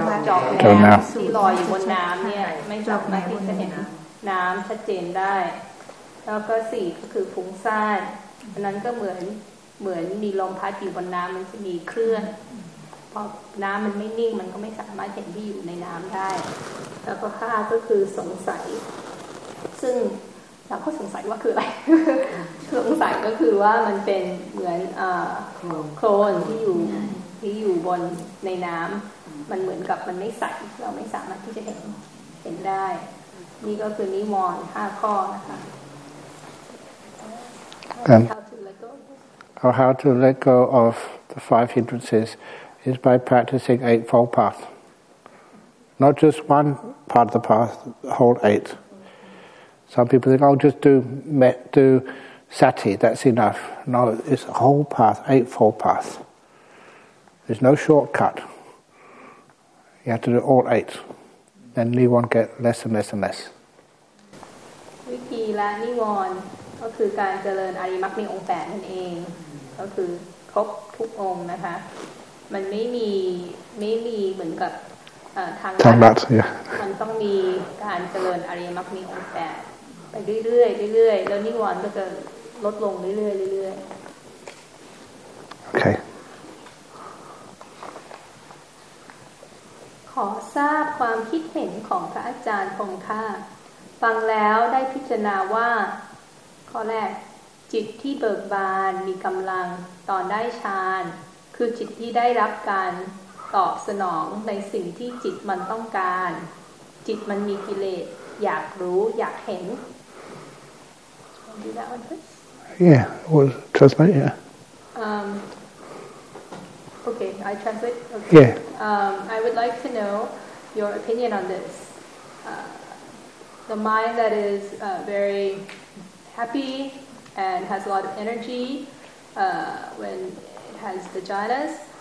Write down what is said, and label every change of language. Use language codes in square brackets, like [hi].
[en] นะจอกแหนมที่ลอยอยู่บนน้ำเนี่ยไม่สามารถที่จะเห็นน้ำชัดเจนได้แล้วก็สี่ก็คือฟุ้งซ่านอันนั้นก็เหมือนมีลมพัดอยู่บนน้ำมันจะมีเคลื่อนพอน้ำมันไม่นิ่งมันก็ไม่สามารถเห็นที่อยู่ในน้ำได้แล้วก็ห้าก็คือสงสัยซึ่งเราก็สงสัยว่าคืออะไร สงสัยก็คือว่ามันเป็นเหมือน โคลนที่อยู่บนในน้ำมันเหมือนกับมันไม่ใสเราไม่สามารถที่จะเห็นได้นี่ก็คือนิวรณ์ห้าข้อนะคะ How how to let go of the five hindrances is by practicing eightfold path. Not just one part of the path, the whole eight. Some people think, oh, just do sati, that's enough. No, it's a whole path, eightfold path. There's no shortcut. You have to do all eight. Then you won't get less and less and less. [th] วิธีละนิวรณ์ก็คือการเจริญอริยมรรคในองค์แปดนั่นเองก็คือครบทุกองค์นะคะมันไม่มีเหมือนกับทาง ลัด มันต้องมีการเจริญอริยมรรคมีองค์แปดไปเรื่อยๆเรื่อยๆแล้วนิวรณ์ก็จะลดลงเรื่อยๆเรื่อย ๆโอเค ขอทราบความคิดเห็นของพระอาจารย์คงค่าฟังแล้วได้พิจารณาว่า ข้อแรกจิตที่เบิกบานมีกำลังตอนได้ฌานคือจิตที่ได้รับการตอบสนองในสิ่งที่จิตมันต้องการจิตมันมีกิเลสอยากรู้อยากเห็น [en] I would like to know your opinion on this. The mind that is very happyAnd has a lot of energy when it has the jhanas.